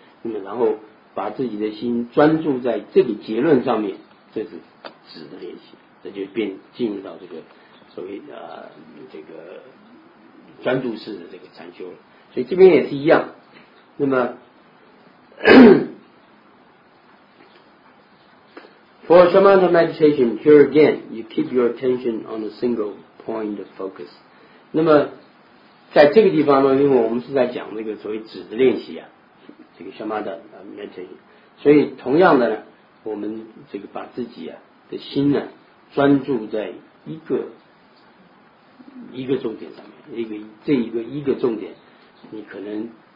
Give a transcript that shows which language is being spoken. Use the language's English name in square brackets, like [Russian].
[Chinese] 那么然后把自己的心专注在这个结论上面。这是止的练习，这就变进入到这个所谓这个专注式的这个禅修了。所以这边也是一样。那么 [English] for shamatha meditation, here again, you keep your attention on a single point of focus. [Chinese] 那么在这个地方呢，因为我们是在讲这个所谓止的练习啊，这个 shamatha meditation, 所以同样的呢，我们这个把自己啊的心呢、啊、专注在一个重点上面，一个重点，你可能